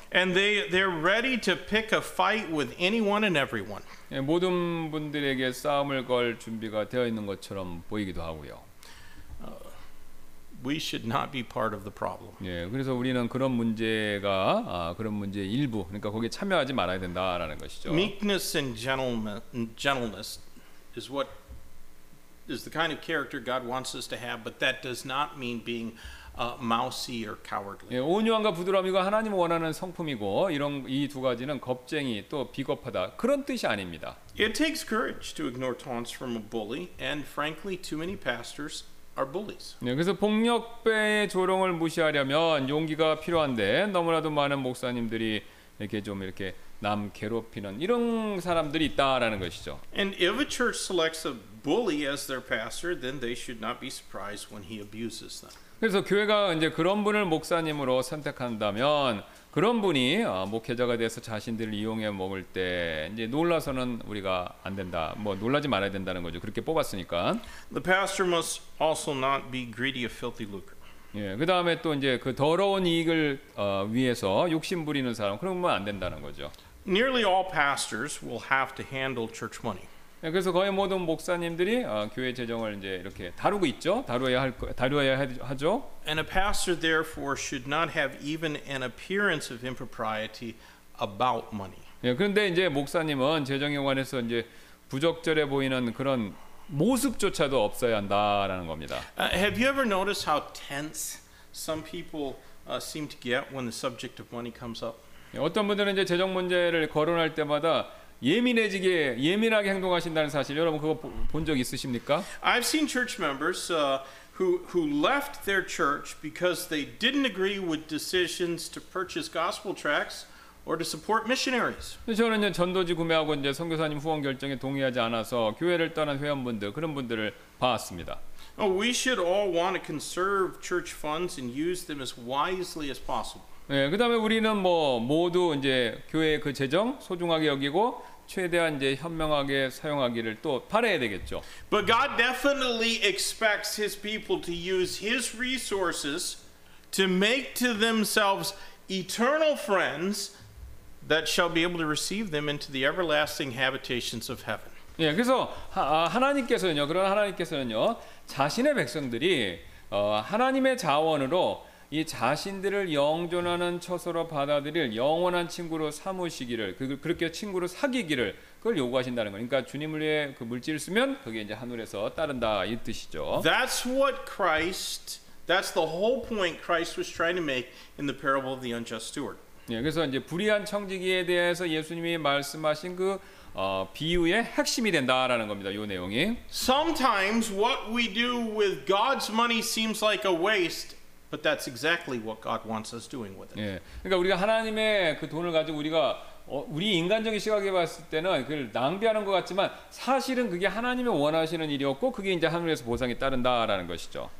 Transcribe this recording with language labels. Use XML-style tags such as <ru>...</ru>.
<en>And they're ready to pick a fight with anyone and everyone.</en> <ko>예, 모든 분들에게 싸움을 걸 준비가 되어 있는 것처럼 보이기도 하고요.</ko> <en>We should not be part of the problem.</en> <ko>예, 그래서 우리는 그런 문제가 그런 문제의 일부, 그러니까 거기에 참여하지 말아야 된다라는 것이죠.</ko> <en>Meekness and gentleness is what is the kind of character God wants us to have, but that does not mean being mousy or cowardly.</en> <ko>예, 온유함과 부드러움 이거 하나님 원하는 성품이고 이런 이 두 가지는 겁쟁이 또 비겁하다 그런 뜻이 아닙니다.</ko> <en>It takes courage to ignore taunts from a bully, and frankly, too many pastors. Are bullies.</en> <ko>네, 그래서 폭력배의 조롱을 무시하려면 용기가 필요한데 너무나도 많은 목사님들이 이렇게 좀 이렇게 남 괴롭히는 이런 사람들이 있다라는 것이죠.</ko> <en>And if a church selects a bully as their pastor, then they should not be surprised when he abuses them.</en> <ko>그래서 교회가 이제 그런 분을 목사님으로 선택한다면 그런 분이 목회자가 돼서 자신들을 이용해 먹을 때 이제 놀라서는 우리가 안 된다. 뭐 놀라지 말아야 된다는 거죠. 그렇게 뽑았으니까.</ko> <en>The pastor must also not be greedy of filthy lucre.</en> <ko>예, 그 다음에 또 이제 그 더러운 이익을 위해서 욕심 부리는 사람 그러면 안 된다는 거죠.</ko> <en>Nearly all pastors will have to handle church money.</en> <ko>그래서 거의 모든 목사님들이 교회 재정을 이제 이렇게 다루고 있죠. 다루어야 하죠.</ko> <en>And a pastor therefore should not have even an appearance of impropriety about money.</en> <ko>예, 그런데 이제 목사님은 재정에 관해서 이제 부적절해 보이는 그런 모습조차도 없어야 한다라는 겁니다.</ko> <en>Have you ever noticed how tense some people seem to get when the subject of money comes up?</en> <ko>예, 어떤 분들은 이제 재정 문제를 거론할 때마다 예민하게 행동하신다는 사실 여러분 그거 본 적 있으십니까?</ko> <en>I've seen church members who left their church because they didn't agree with decisions to purchase gospel tracts or to support missionaries.</en> <ko>저는 이제 전도지 구매하고 이제 선교사님 후원 결정에 동의하지 않아서 교회를 떠난 회원분들 그런 분들을 봤습니다.</ko> <en>Oh, we should all want to conserve church funds and use them as wisely as possible.</en> <ko>예, 그다음에 우리는 뭐 모두 이제 교회의 그 재정 소중하게 여기고 최대한 이제 현명하게 사용하기를 또 바라야 되겠죠.</ko> <en>But God definitely expects His people to use His resources to make to themselves eternal friends that shall be able to receive them into the everlasting habitations of heaven.</en> <ko>예, 그래서 하나님께서는요, 그런 하나님께서는요, 자신의 백성들이 하나님의 자원으로 이 자신들을 영존하는 처소로 받아들일 영원한 친구로 삼으시기를 그렇게 친구로 사귀기를 그걸 요구하신다는 거니까 주님을 위해 그 물질을 쓰면 그게 이제 하늘에서 따른다 이 뜻이죠.</ko> <en>That's what Christ. That's the whole point Christ was trying to make in the parable of the unjust steward.</en> <ko>예, 그래서 이제 불의한 청지기에 대해서 예수님이 말씀하신 그 비유의 핵심이 된다라는 겁니다. 요 내용이.</ko> <en>Sometimes what we do with God's money seems like a waste. But that's exactly what God wants us doing with it.</en> <ko>예, 그러니까 우리가 하나님의 그 돈을 가지고 우리가 우리 인간적인 시각에 봤을 때는 그걸 낭비하는 것 같지만 사실은 그게 하나님이 원하시는 일이었고 그게 이제 하늘에서 보상이 따른다라는 것이죠.</ko>